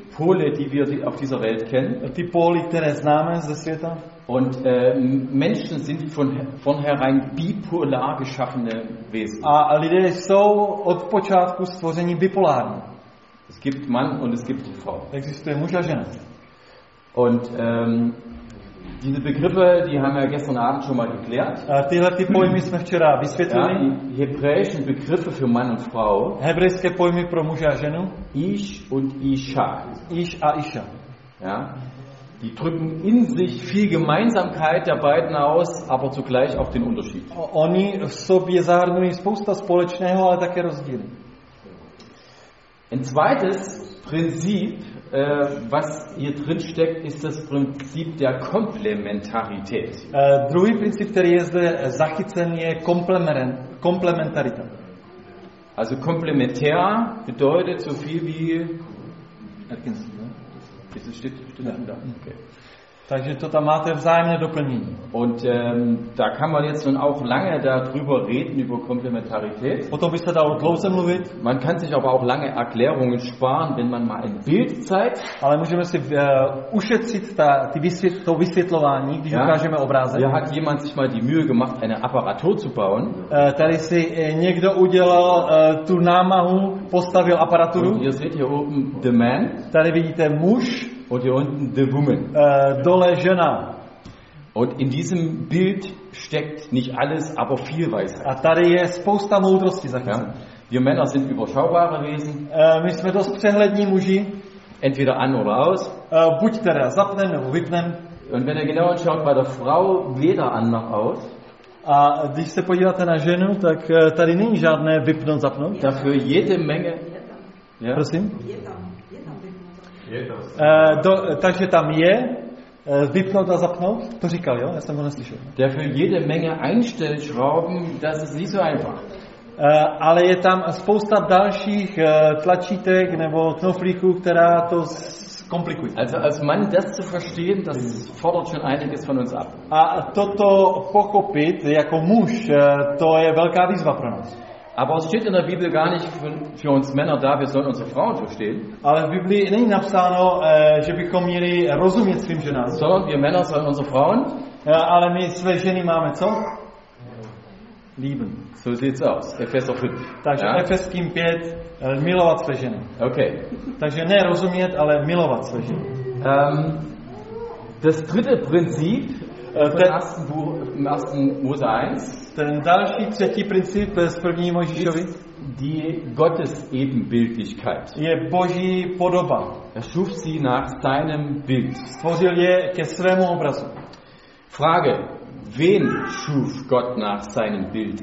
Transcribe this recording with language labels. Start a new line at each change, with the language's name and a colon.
German: Pole, die wir auf dieser Welt kennen.
Czech: Ty póly, které známe ze světa.
German: Und Menschen sind von vornherein bipolar geschaffene Wesen.
Czech: A lidé jsou od počátku stvoření bipolární.
German: Es gibt Mann und es gibt Frau.
Czech: Existuje muž a žena.
German: Und diese Begriffe, die haben wir gestern Abend schon mal geklärt.
Czech: Tyhle ty pojmy jsme včera vysvětlili.
German: Ja, hebräische Begriffe für Mann und Frau.
Czech: Hebrejské pojmy pro muže a ženu.
German: Ich und Isha.
Czech: Ich a Isha.
German: Ja. Die drücken in sich viel Gemeinsamkeit der beiden aus, aber zugleich auch den Unterschied.
Czech: Oni v sobě zahrnují spousta společného, ale také rozdíly.
German: Ein zweites Prinzip, was hier drin steckt, ist das Prinzip der Komplementarität.
Czech: Druhý princip, který je zde zachycen, je komplementarita.
German: Also komplementär bedeutet so viel wie ergänzend. Ist es steht da. Okay.
Czech: Takže to tam máte vzájemné doplnění.
German: Und da kann man jetzt nun auch lange darüber reden über Komplementarität.
Czech: O tom byste dalo dlouze mluvit.
German: Man kann sich aber auch lange Erklärungen sparen, wenn man mal ein Bild zeigt.
Czech: Ale můžeme si ušetřit to vysvětlování, když ukážeme obrázek.
German: Ja, hat jemand sich mal die Mühe gemacht, eine Apparatur zu bauen?
Czech: Tady si někdo udělal tu námahu, postavil aparaturu.
German: Und ihr seht hier oben
English: the man.
Czech: Tady vidíte muž.
German: Und hier unten
English: the woman.
Czech: Dole žena.
German: Und in diesem Bild steckt nicht alles, aber viel Weisheit.
Czech: A tady je spousta moudrosti zachycena.
German: Wir Männer sind überschaubare Wesen.
Czech: My jsme dost přehlední muži.
German: Entweder an oder aus.
Czech: Buď teda zapnem nebo vypnem.
German: Und wenn ihr genauer schaut bei der Frau, weder an noch aus.
Czech: A když se podíváte na ženu, tak tady není žádné vypnout, zapnout.
German: Dafür jede Menge.
Czech: Ja? Prosím. Je to. Takže tam je vypnout a zapnout, to říkal, jo, já jsem ho neslyšel.
German: Der für jede Menge Einstellschrauben, das ist nicht so einfach.
Czech: Ale je tam spousta dalších tlačítek nebo knoflíků, která to zkomplikují.
German: Also als Mann das zu verstehen, das fordert schon einiges von uns ab.
Czech: A toto pochopit jako muž, to je velká výzva pro nás.
German: Aber es steht in der Bibel gar nicht für uns Männer da, wir sollen unsere Frauen verstehen.
Czech: Ale v Biblii není napsáno, že bychom měli rozumět svým ženám.
German: Sondern wir Männer sollen unsere Frauen.
Czech: Ja, ale my své ženy máme co?
German: Lieben. So sieht's aus. Epheser 5.
Czech: Takže ja? Efeským 5, milovat své ženy. Okay. Takže ne rozumět, ale milovat své ženy.
German: Das dritte Prinzip im ersten Mose 1.
Czech: Ten další třetí princip z první Mojžíšovi.
German: Die Gottesebenbildlichkeit.
Czech: Je Boží podoba.
German: Er schuf sie nach seinem Bild.
Czech: Stvořil je ke svému obrazu.
German: Frage: Wen schuf Gott nach seinem Bild?